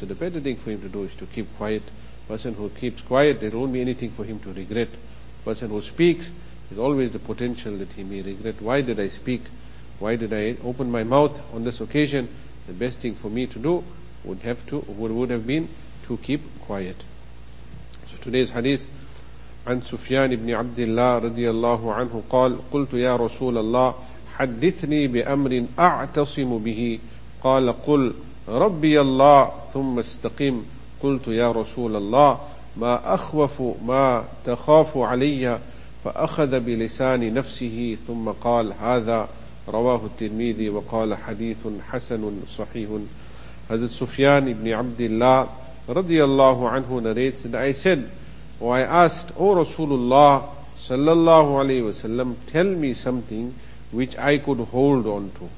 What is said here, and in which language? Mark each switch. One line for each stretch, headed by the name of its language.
English: So the better thing for him to do is to keep quiet. Person who keeps quiet, there won't be anything for him to regret. Person who speaks, there's always the potential that he may regret. Why did I speak? Why did I open my mouth on this occasion? The best thing for me to do would have been to keep quiet. So today's hadith,
Arabic: عن سفيان بن عبد الله رضي الله عنه قال قلت يا رسول الله حدثني بأمر أعتصم به قال قل ربي الله ثم استقم قلت يا رسول الله ما أخوف ما تخاف علي فأخذ بلسان نفسه ثم قال هذا رواه الترمذي وقال حديث حسن صحيح.
English: Hazrat Sufyan ibn Abdullah radiyallahu anhu narrates that I said, or I asked, O Rasulullah sallallahu alayhi wa sallam, tell me something which I could hold on to.